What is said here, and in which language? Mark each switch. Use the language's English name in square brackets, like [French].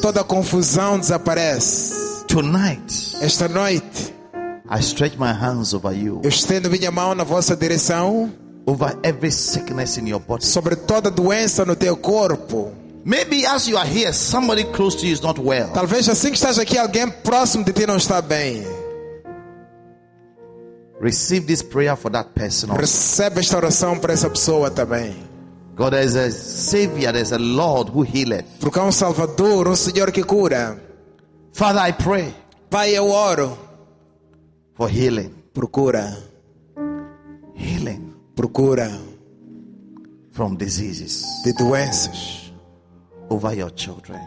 [Portuguese] Toda confusão desaparece. [English] Tonight. [Portuguese] Esta noite. [English] I stretch my hands over you. [Portuguese] Eu estendo minha mão na vossa direção. [English] Over every sickness in your body. [Portuguese] Sobre toda doença no teu corpo. [English] Maybe as you are here, somebody close to you is not well. [Portuguese] Talvez assim que estás aqui, alguém próximo de ti não está bem. [English] Receive this prayer for that person. [Portuguese] Recebe esta oração para essa pessoa também. [English] God is a savior, there's a Lord who healeth. [Portuguese] Porque há um Salvador, um Senhor que cura. [English] Father, I pray. [Portuguese] Pai, eu oro. [English] For healing. [Portuguese] Procura. [English] Healing. [Portuguese] Procura. [English] From diseases. [Portuguese] De doenças. [English] Over your children.